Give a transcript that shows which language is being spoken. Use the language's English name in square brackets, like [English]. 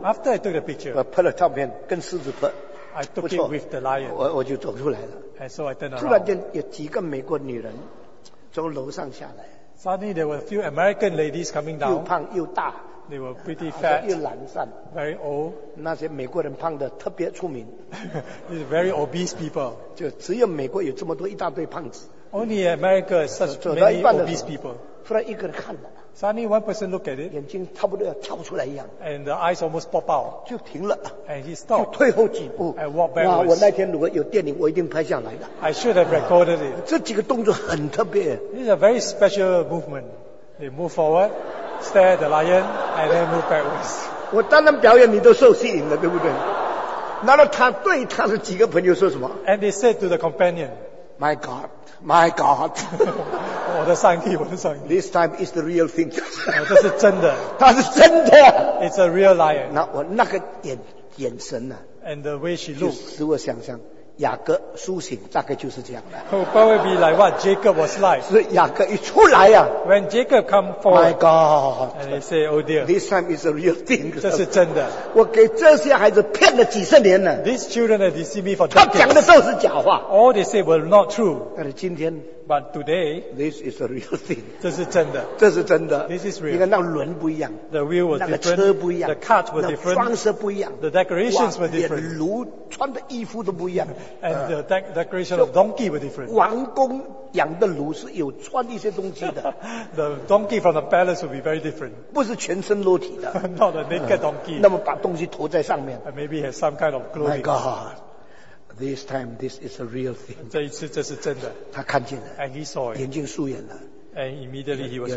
[English] after I took the picture, [Chinese] 我拍了照片跟狮子拍, [English] I took [Chinese] 不错, [English] it with the lion. [Chinese] 我就走出来了, [English] and so I turned around. [Chinese] 突然间有几个美国女人, 从楼上下来, [English] suddenly there were a few American ladies coming down. [Chinese] 又胖又大, [English] they were pretty fat, [Chinese] 又懒散, [English] very old. [Chinese] 那些美国人胖得特别出名, [English] these very obese people. [Chinese] 就只有美国有这么多一大堆胖子, [English] only America has such many obese people. [Chinese] 突然一个人看了, [English] suddenly one person looked at it, [Chinese] 眼睛差不多要跳出来一样, [English] and the eyes almost pop out. [Chinese] 就停了, [English] and he stopped, [Chinese] 就退后几步, [English] and walked backwards. [Chinese] 哇,我那天如果有电影,我一定拍下来的, [English] I should have recorded it. [Chinese] 这几个动作很特别, [English] this is a very special movement. They move forward, stare at the lion, and then move backwards. [Chinese] 我当然表演你都受吸引了，对不对？那么他对他的几个朋友说什么？ [English] And they said to the companion, My God, My God. [Chinese] 我的上帝，我的上帝。 [English] This time is the real thing. [Chinese] 这是真的。他是真的。 [English] It's a real lion. [Chinese] 那我那个眼神呢？ [English] And the way she looked, [Chinese] 使我想象。雅各苏醒大概就是这样的。 [English] Probably be like what Jacob was like. [Chinese] 是雅各一出来啊, [English] when Jacob come forward, My God, and he say, Oh dear, this time is a real thing. [Chinese] 这是真的。我给这些孩子骗了几十年了。 [English] These children have deceived me for decades. [Chinese] 他讲的都是假话。 [English] All they say were not true. [Chinese] 但是今天, [English] but today, this is a real thing. [Chinese] 这是真的。这是真的。 [English] This is real. [Chinese] 你看那轮不一样, [English] the wheel was different. [Chinese] 那个车不一样, [English] the cart was different. [Chinese] 那装饰不一样, [English] the decorations were different. [Chinese] 连炉穿的衣服都不一样。 [English] And the decoration of donkey were different. [Chinese] 王宫养的驴是有穿一些东西的。 [English] The donkey from the palace would be very different. [Chinese] 不是全身裸体的。 [English] Not a naked donkey. [Chinese] 那么把东西投在上面。 [English] And maybe has some kind of clothing. My God, this time this is a real thing. [Chinese] 这一次这是真的。他看见了。 [English] And he saw it. [Chinese] 眼睛竖眼了。 [English] And immediately he was awakened.